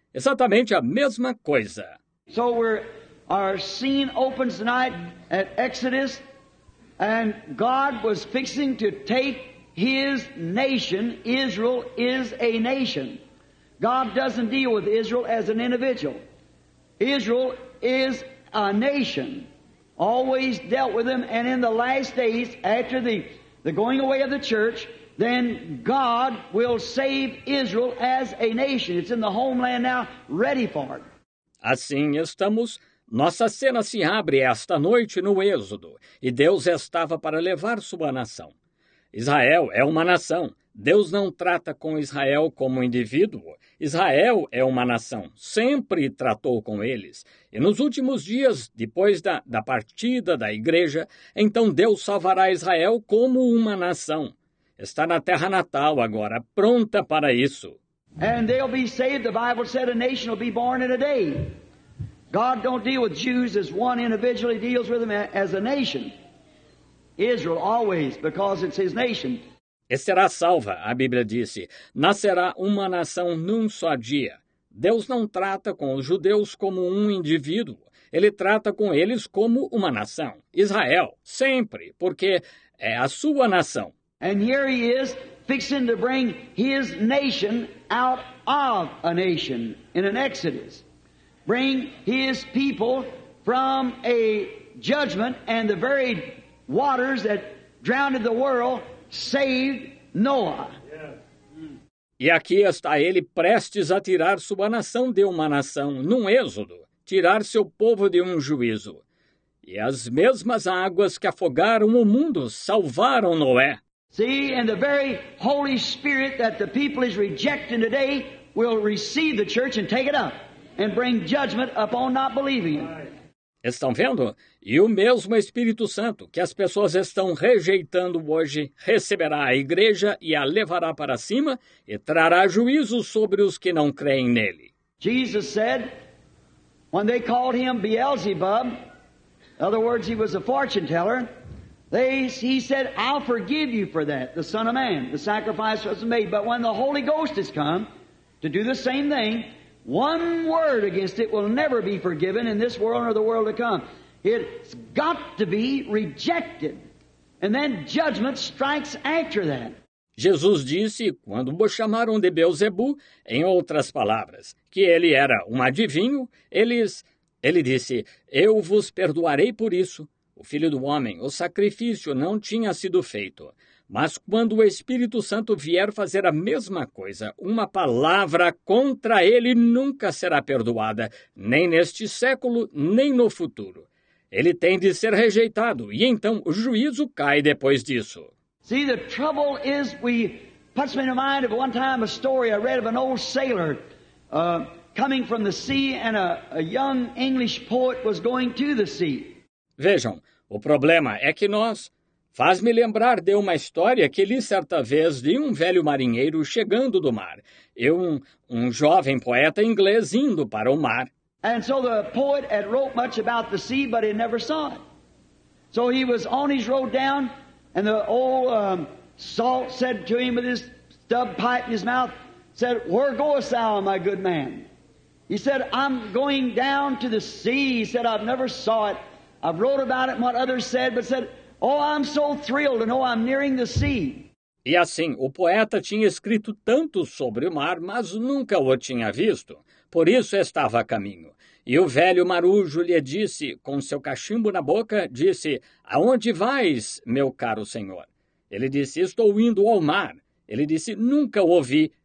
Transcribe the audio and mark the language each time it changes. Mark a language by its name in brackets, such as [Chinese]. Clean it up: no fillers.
[Portuguese] Exatamente a mesma coisa. [English] So our scene opens tonight at Exodus, and God was fixing to take his nation. Israel is a nation. God doesn't deal with Israel as an individual. Israel is a nation. Always dealt with them, and in the last days, after the going away of the church, then God will save Israel as a nation. It's in the homeland now, ready for it. [Portuguese] Assim estamos. Nossa cena se abre esta noite no Êxodo, e Deus estava para levar sua nação. Israel é uma nação. Deus não trata com Israel como indivíduo. Israel é uma nação, sempre tratou com eles. E nos últimos dias, depois da partida da igreja, então Deus salvará Israel como uma nação. Está na terra natal agora, pronta para isso. [English] And they'll be saved. The Bible said a nation will be born in a day. God don't deal with Jews as one individual. He deals with them as a nation. Israel always, because it's his nation. [Portuguese] E será salva, a Bíblia disse. Nascerá uma nação num só dia. Deus não trata com os judeus como um indivíduo. Ele trata com eles como uma nação. Israel, sempre, porque é a sua nação. [English] And here he is, fixing to bring his nation out of a nation in an exodus. Bring his people from a judgment and the very waters that drowned the world saved Noah. [Portuguese] E aqui está ele prestes a tirar sua nação de uma nação, num êxodo, tirar seu povo de um juízo. E as mesmas águas que afogaram o mundo salvaram Noé. [English] See, and the very Holy Spirit that the people is rejecting today will receive the church and take it up and bring judgment upon not believing. [Portuguese] Estão vendo? E o mesmo Espírito Santo que as pessoas estão rejeitando hoje receberá a igreja e a levará para cima e trará juízo sobre os que não creem nele. [English] Jesus said, when they called him Beelzebub, in other words, he was a fortune teller, he said, I'll forgive you for that, the Son of Man, the sacrifice was made. But when the Holy Ghost has come to do the same thing, one word against it will never be forgiven in this world or the world to come. It's got to be rejected. And then judgment strikes after that. [Portuguese] Jesus disse, quando o chamaram de Beelzebu, em outras palavras, que ele era um adivinho, ele disse, eu vos perdoarei por isso. O Filho do Homem, o sacrifício não tinha sido feito. Mas quando o Espírito Santo vier fazer a mesma coisa, uma palavra contra ele nunca será perdoada, nem neste século, nem no futuro. Ele tem de ser rejeitado, e então o juízo cai depois disso. [English] See, the trouble is, puts me in mind of one time a story I read of an old sailor coming from the sea, and a young English poet was going to the sea. [Portuguese] Vejam, o problema é que nós... Faz-me lembrar de uma história que li certa vez de um velho marinheiro chegando do mar. E um jovem poeta inglês indo para o mar. [English] And so the poet had wrote much about the sea, but he never saw it. So he was on his road down, and the old salt said to him with his stub pipe in his mouth, said, where goest thou, my good man? He said, I'm going down to the sea. He said, I've never saw it. I've wrote about it and what others said, but said, oh, I'm so thrilled to know I'm nearing the sea. [Portuguese] E assim, o poeta tinha escrito tanto sobre o mar, mas nunca o tinha visto. Por isso estava a caminho. E o velho marujo lhe disse, com seu cachimbo na boca, disse, aonde vais, meu caro senhor? Ele disse, estou indo ao mar. Ele disse, nunca o ouvi.